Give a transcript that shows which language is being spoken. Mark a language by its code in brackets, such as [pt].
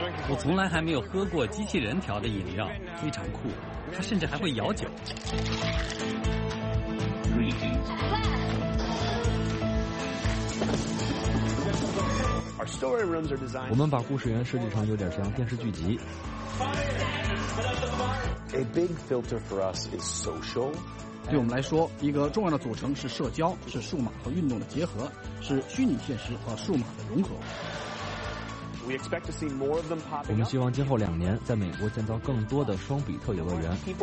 [zh] 我从来还没有喝过机器人调的饮料，非常酷，它甚至还会摇酒。我们把故事园设计成有点像电视剧集。 [en] A big filter for us is social. [zh] 对我们来说，一个重要的组成是社交，是数码和运动的结合，是虚拟现实和数码的融合。我们希望今后两年在美国建造更多的双比特游乐园。